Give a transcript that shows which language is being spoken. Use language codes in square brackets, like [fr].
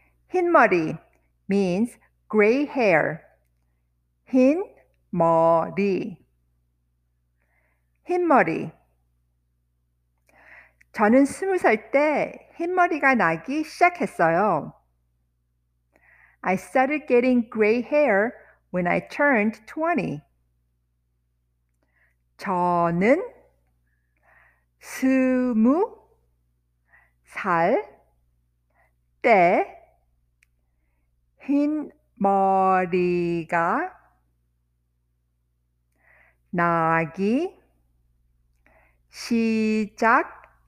[en] 흰머리 means gray hair. [ko] 흰머리 흰머리 저는 스무 살 때 흰머리가 나기 시작했어요. [en] I started getting gray hair when I turned 20. [ko] 저는 스무 살 때 흰머리가 나기 시작했어요.